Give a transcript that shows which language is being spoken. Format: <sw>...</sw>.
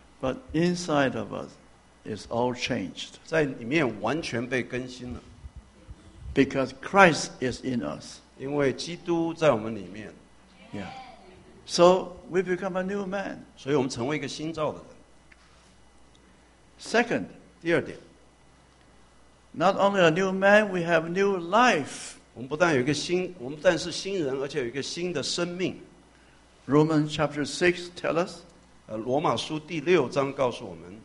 <en>But inside of us, it's all changed.</en> <zh>在里面完全被更新了。</zh> <en>Because Christ is in us.</en> <zh>因为基督在我们里面</zh> <en>，Yeah. So we become a new man.</en> <zh>所以我们成为一个新造的人。</zh> <en>Second,</en> <zh>第二点</zh> <en>，Not only a new man, we have new life.</en> <zh>我们不但有一个新，我们不但是新人，而且有一个新的生命。</zh> <en>Romans chapter 6 tell us.</en> <zh>罗马书第六章告诉我们。</zh>